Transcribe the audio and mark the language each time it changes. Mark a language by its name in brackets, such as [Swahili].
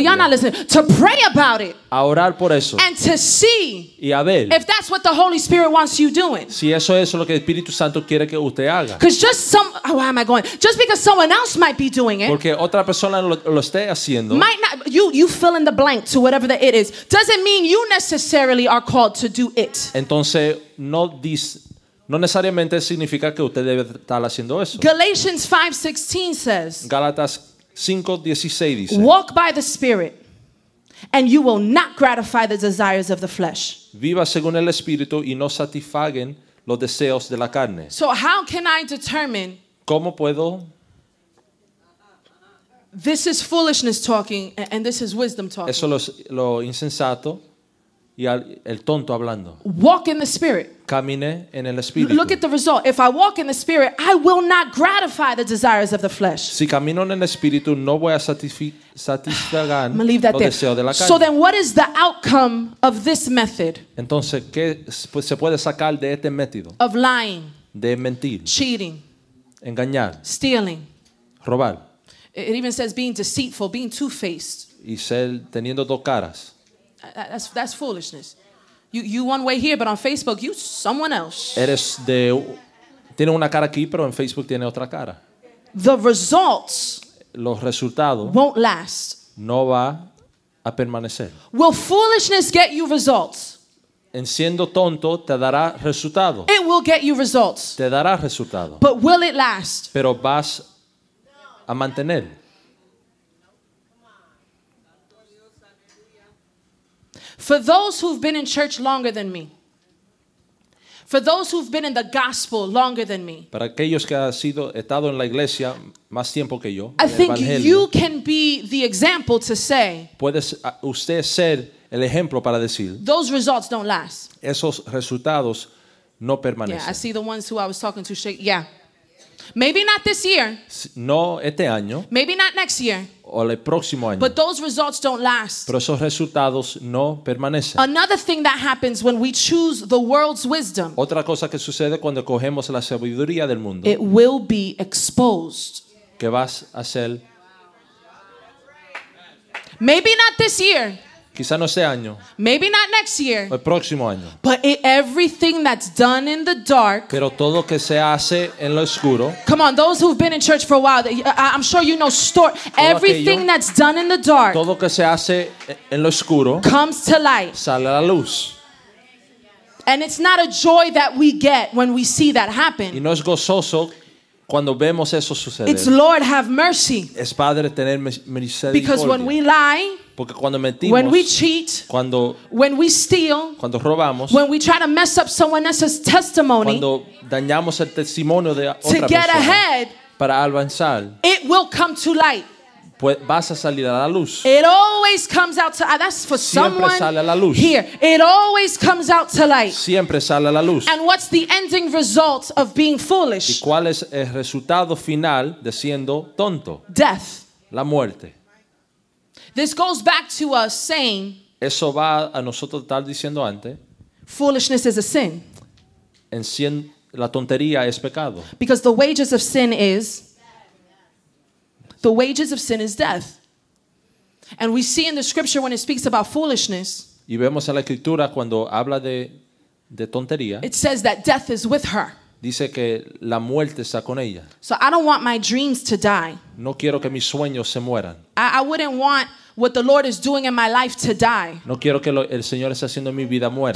[English] oh, y'all not listening, to pray about it, [Spanish] a orar por eso, [English] and to see, [Spanish] y a ver, [English] if that's what the Holy Spirit wants you doing. [Spanish] Si eso es lo que el Espíritu Santo quiere que usted haga. [English] Because just some, oh, why am I going? Just because someone else might be doing it, [Spanish] porque otra persona lo esté haciendo, [English] might not, you fill in the blank to whatever that it is, doesn't mean you necessarily are called to do it. [Spanish] Entonces, no necesariamente significa que usted debe estar haciendo eso. [English] Galatians 5:16 says, [Spanish] Gálatas 5:16 dice, [English] walk by the Spirit and you will not gratify the desires of the flesh. [Spanish] Viva según el Espíritu y no satisfaguen los deseos de la carne. [English] So how can I determine, [Spanish] ¿cómo puedo? [English] This is foolishness talking and this is wisdom talking. [Spanish] Eso es lo insensato y el tonto hablando. [English] Walk in the Spirit. [Spanish] Camine en el Espíritu. [English] Look at the result. If I walk in the Spirit, I will not gratify the desires of the flesh. [Spanish] Si camino en el Espíritu, no voy a satisfagar los deseos de la carne. [English] So then what is the outcome of this method? [Spanish] Entonces, ¿qué se puede sacar de este método? [English] Of lying. [Spanish] De mentir. [English] Cheating. [Spanish] Engañar. [English] Stealing. [Spanish] Robar. [English] It even says being deceitful, being two-faced. [Spanish] Y ser teniendo dos caras. [English] That's foolishness. You one way here, but on Facebook you someone else. [Spanish] Eres de, tiene una cara aquí, pero en Facebook tiene otra cara. [English] The results, [Spanish] los resultados, [English] won't last. [Spanish] No va a permanecer. [English] Will foolishness get you results? [Spanish] En siendo tonto te dará resultado. [English] It will get you results. [Spanish] Te dará resultado. [English] But will it last? [Spanish] Pero vas a mantener. [English] For those who've been in church longer than me, for those who've been in the gospel longer than me, [Spanish] para aquellos que han sido estado en la iglesia más tiempo que yo, [English] I think you can be the example to say, [Spanish] puede usted ser el ejemplo para decir, [English] those results don't last. [Spanish] Esos resultados no permanecen. [English] Yeah, I see the ones who I was talking to shake. Yeah. Maybe not this year. [Spanish] No este año. [English] Maybe not next year. [Spanish] O el próximo año. [English] But those results don't last. [Spanish] Pero esos resultados no permanecen. [English] Another thing that happens when we choose the world's wisdom. [Spanish] Otra cosa que sucede cuando cogemos la sabiduría del mundo. [English] It will be exposed. [Spanish] Que vas a ser. [English] Maybe not this year. [Spanish] Quizá no este año. [English] Maybe not next year. [Spanish] O el próximo año. [English] But everything that's done in the dark. [Spanish] Pero todo que se hace en lo oscuro. [English] Come on, those who've been in church for a while, I'm sure you know story. Everything [Spanish] aquello, [English] that's done in the dark. [Spanish] Todo que se hace en lo oscuro. [English] Comes to light. [Spanish] Sale a la luz. [English] And it's not a joy that we get when we see that happen. [Spanish] Y no es gozoso cuando vemos eso suceder. [English] It's Lord, have mercy. [Spanish] Es Padre, tener misericordia. [English] Because when we lie. [Spanish] Porque cuando mentimos, [English] when we cheat, [Spanish] cuando, [English] when we steal, [Spanish] cuando robamos, [English] when we try to mess up someone else's testimony, [Spanish] cuando dañamos el testimonio de otra [English] to get [Spanish] persona, [English] ahead, [Spanish] para avanzar, [English] it will come to light. [Spanish] Pues vas a salir a la luz. [English] It always comes out to light. That's for [Spanish] siempre [English] someone [Spanish] sale a la luz. [English] Here. It always comes out to light. [Spanish] Siempre sale a la luz. [English] And what's the ending result of being foolish? [Spanish] ¿Y cuál es el resultado final de siendo tonto? [English] Death. [Spanish] La muerte. [English] This goes back to us saying, [Spanish] eso va a nosotros estar diciendo antes, [English] foolishness is a sin. [Spanish] En sin, la tontería es pecado. [English] Because the wages of sin is, the wages of sin is death. And we see in the scripture when it speaks about foolishness, [Spanish] y vemos en la escritura cuando habla de tontería, [English] it says that death is with her. [Spanish] Dice que la muerte está con ella. [English] So I don't want my dreams to die. [Spanish] No quiero que mis sueños se mueran. [English] I wouldn't want what the Lord is doing in my life to die. [Spanish] No quiero que el Señor está haciendo en mi vida muera.